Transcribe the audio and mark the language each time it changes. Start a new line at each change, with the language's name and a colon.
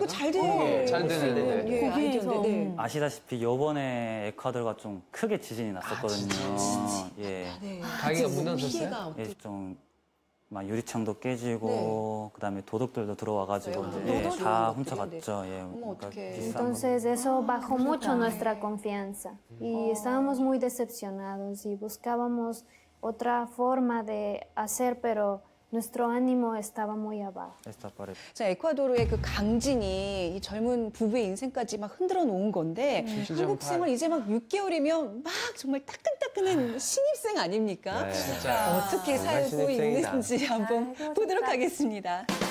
Korean: 그리고 잘 되는 거예요. 잘 되는 거예요. 거기에서 아시다시피 이번에 에콰도르가 좀 크게 지진이 났었거든요. 예. 가게가 무너졌어요? 예, 좀 막 유리창도 깨지고 네. 그다음에 도둑들도 들어와가지고 네. 예, 다 훔쳐갔죠. 예, 그러니까
Spanish: Entonces eso bajó mucho nuestra confianza y estábamos muy decepcionados y buscábamos otra forma de hacer, pero nuestro ánimo estaba muy abajo.
Korean: 자, 에콰도르의 그 강진이 이 젊은 부부의 인생까지 막 흔들어 놓은 건데 한국 생활 이제 막 6개월이면 막 정말 따끈따끈한 신입생 아닙니까? 네, 진짜. 어떻게 살고 있는지 한번 보도록 하겠습니다.